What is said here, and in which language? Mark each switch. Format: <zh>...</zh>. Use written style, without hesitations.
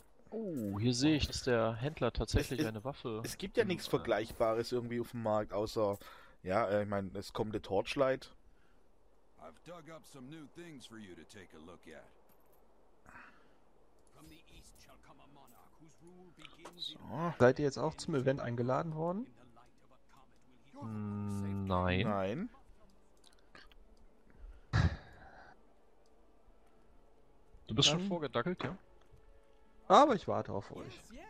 <de>Oh, hier sehe ich, dass der Händler tatsächlich eine Waffe. Es gibt ja nichts Vergleichbares irgendwie auf dem Markt, außer, ja, ich meine, es kommt der Torchlight.</de> <en>I've dug up some new things for you to take a look at. From the east shall come a monarch whose rule begins.</en> <de>So. Seid ihr jetzt auch zum Event eingeladen worden? Nein. Nein. Du bist schon vorgedackelt, ja? Aber ich warte auf euch.</de>